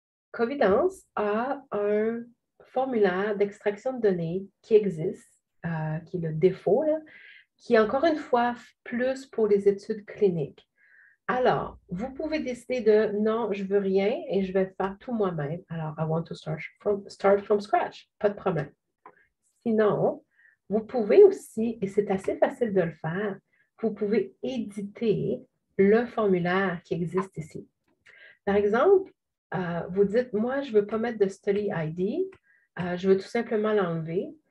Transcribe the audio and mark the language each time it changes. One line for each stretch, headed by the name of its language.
French: Covidence a un formulaire d'extraction de données qui existe, qui est le défaut, là, qui est encore une fois plus pour les études cliniques. Alors, vous pouvez décider de non, je veux rien et je vais faire tout moi-même.
English: Alors, I want to start from scratch.
French: Pas de problème. Sinon, vous pouvez aussi, et c'est assez facile de le faire, vous pouvez éditer le formulaire qui existe ici. Par exemple, vous dites, moi, je ne veux pas mettre de Study ID, je veux tout simplement l'enlever.